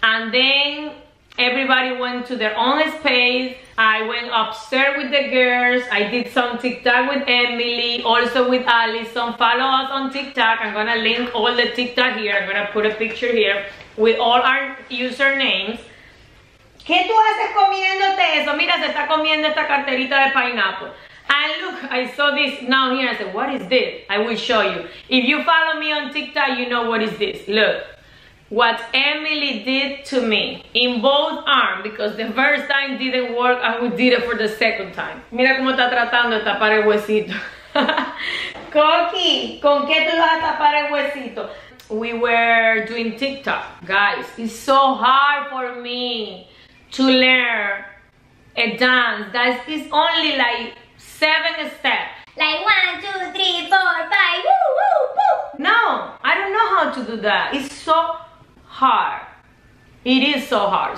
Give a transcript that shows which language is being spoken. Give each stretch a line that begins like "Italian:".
English: And then everybody went to their own space. I went upstairs with the girls. I did some TikTok with Emily, also with Allison. Follow us on TikTok. I'm gonna link all the TikTok here. I'm gonna put a picture here with all our usernames.
Spanish: ¿Qué tú haces comiéndote eso? Mira, se está comiendo esta carterita de pineapple.
English: And look, I saw this now here. I said, what is this? I will show you. If you follow me on TikTok, you know what is this. Look, what Emily did to me in both arms, because the first time didn't work, and we did it for the second time.
Spanish: Mira cómo está tratando de tapar el huesito. Coqui, ¿con qué tú vas a tapar el huesito?
English: We were doing TikTok. Guys, it's so hard for me to learn a dance that is only like 7 steps. Like 1, 2, 3, 4, 5, woo, woo, woo. No, I don't know how to do that. It's so hard. It is so hard.